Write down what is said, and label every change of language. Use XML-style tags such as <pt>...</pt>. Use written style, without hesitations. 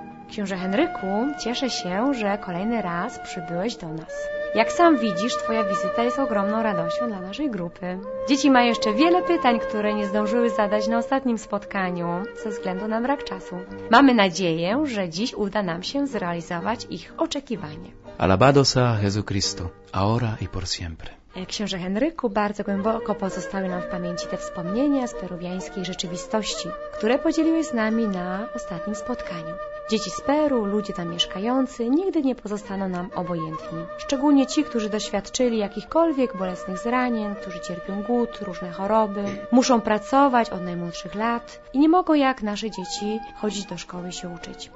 <pl>Książę Henryku, cieszę się, że kolejny raz przybyłeś do nas. Jak sam widzisz, Twoja wizyta jest ogromną radością dla naszej grupy. Dzieci mają jeszcze wiele pytań, które nie zdążyły zadać na ostatnim spotkaniu ze względu na brak czasu. Mamy nadzieję, że dziś uda nam się zrealizować ich oczekiwanie.</pl> <es>Alabado sea Jesu Cristo, ahora y por siempre.</es> <pl>Książę Henryku, bardzo głęboko pozostały nam w pamięci te wspomnienia z peruwiańskiej rzeczywistości, które podzieliłeś z nami na ostatnim spotkaniu. Dzieci z Peru, ludzie tam mieszkający, nigdy nie pozostaną nam obojętni. Szczególnie ci, którzy doświadczyli jakichkolwiek bolesnych zranień, którzy cierpią głód, różne choroby, muszą pracować od najmłodszych lat i nie mogą jak nasze dzieci chodzić do szkoły się uczyć.</pl>